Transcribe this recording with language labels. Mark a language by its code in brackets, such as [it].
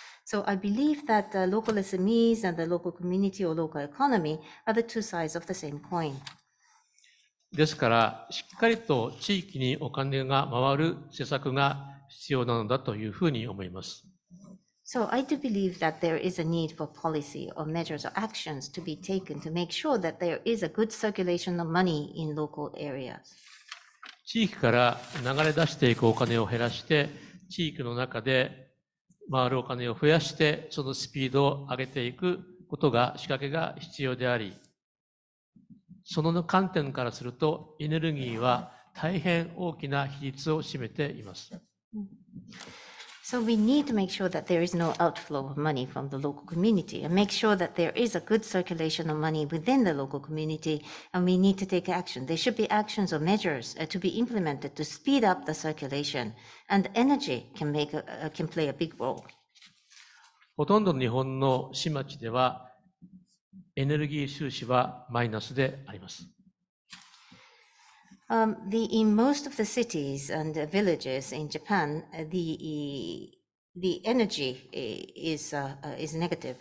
[en] So I believe that local SMEs and the local community or local economy are the two sides of the same coin. [ja] ですから、しっかりと地域にお金が回る施策が必要なのだというふうに思います。 [en] So I do believe that there is a need for policy or measures or actions to be taken to make sure that there is a good circulation of money in local areas. [ja] 地域から流れ出していくお金を減らして、地域の中で回るお金を増やして、そのスピードを上げていくことが、仕掛けが必要であり、その観点からすると、エネルギーは大変大きな比率を占めています。 [en] So we need to make sure that there is no outflow of money from the local community and make sure that there is a good circulation of money within the local community and we need to take action. There should be actions or measures to be implemented to speed up the circulation and energy can make a, can play a big role. [ja] ほとんど日本の市町ではエネルギー収支はマイナスであります。 [en] In most of the cities and villages in Japan, the energy is negative.